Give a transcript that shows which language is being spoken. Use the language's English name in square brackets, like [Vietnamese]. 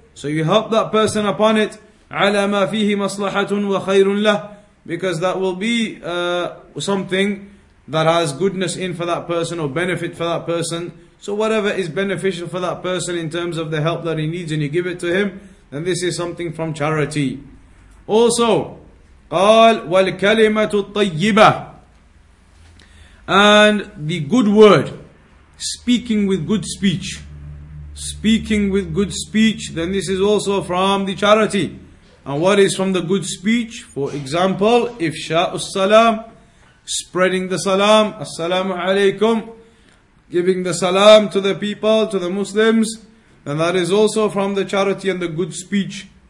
[English] So you help that person upon it, [Arabic] عَلَى مَا فِيهِ مَصْلَحَةٌ وَخَيْرٌ لَهُ. [English] Because that will be something that has goodness in for that person or benefit for that person. So whatever is beneficial for that person in terms of the help that he needs and you give it to him, then this is something from charity. [Arabic] Also, قال والكلمة الطيبة. [English] And the good word, speaking with good speech. Speaking with good speech, then this is also from the charity. And what is from the good speech? For example, إفشاء السلام, spreading the salam, assalamu alaykum, giving the salam to the people, to the Muslims, and that is also from the charity and the good speech.